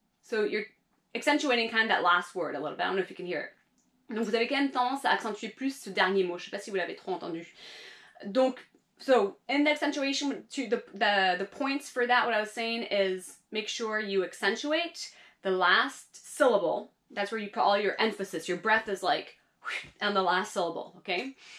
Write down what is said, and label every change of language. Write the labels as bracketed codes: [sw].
[en] So you're accentuating kind of that last word a little bit. I don't know if you can hear it. [fr] Donc, vous avez quand même tendance à accentuer plus ce dernier mot. Je ne sais pas si vous l'avez trop entendu. [en] Donc, so in the accentuation, to the points for that, what I was saying is, make sure you accentuate the last syllable. That's where you put all your emphasis. Your breath is like, on the last syllable, okay?